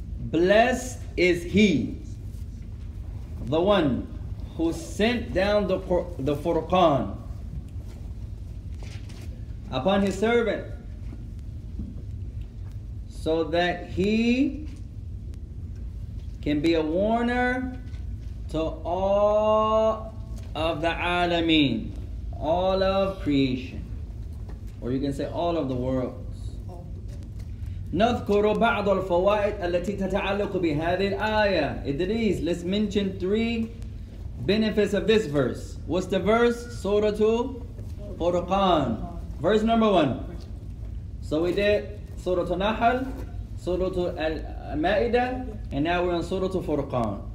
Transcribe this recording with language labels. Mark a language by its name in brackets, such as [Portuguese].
[English] Blessed is he, the one who sent down the Furqan upon his servant so that he can be a warner to all of the alameen, all of creation, or you can say all of the world. [Arabic] نذكر بعض الفوائد التي تتعلق بهذه الآية. [English] Idris, let's mention three benefits of this verse. What's the verse? Surah 2, Furqan. Verse number 1. So we did Surah Nahl, Surah Al-Ma'idah, and now we're on Surah Furqan.